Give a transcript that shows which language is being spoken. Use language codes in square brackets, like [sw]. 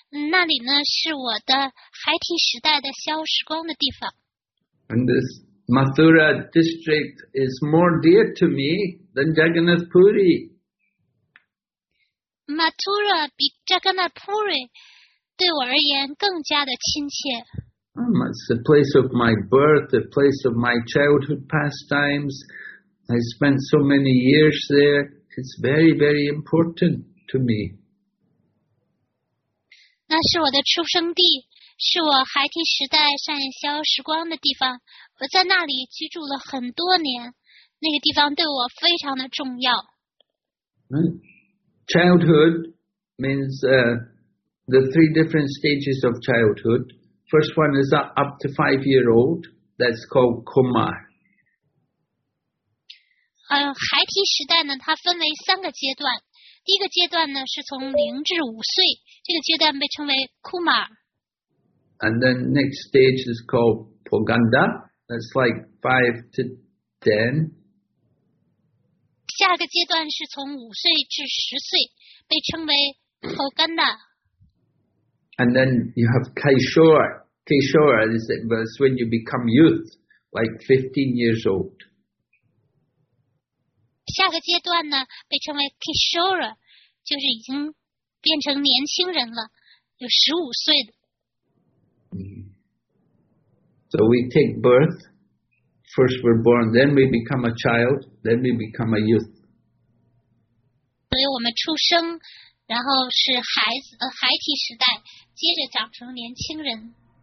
[zh] 那里呢是我的孩提时代的消时光的地方。 [en] And this Mathura district is more dear to me than Jagannath Puri. [zh] Mathura 比 Jagannath Puri 对我而言更加的亲切。 [en] It's the place of my birth, the place of my childhood pastimes. I spent so many years there. It's very, very important to me. [zh] 那是我的出生地，是我孩提时代上演消时光的地方。我在那里居住了很多年，那个地方对我非常的重要。 [en] Right. Childhood means the three different stages of childhood. First one is up to 5 year old. That's called Kumar. [zh] 孩提时代呢，它分为三个阶段。第一个阶段呢，是从零至五岁，这个阶段被称为 Kumar. [en] And then next stage is called Poganda. That's like 5 to 10. [zh] 下个阶段是从五岁至十岁，被称为 Poganda. [en] And then you have Kishore. Kishore is it, but it's when you become youth, like 15 years old. [zh] 下个阶段呢，被称为 Kishore, 就是已经变成年轻人了，有15岁的。 [en] So we take birth, first we're born, then we become a child, then we become a youth. [zh] 所以我们出生，然后是孩子，孩提时代，接着长成年轻人。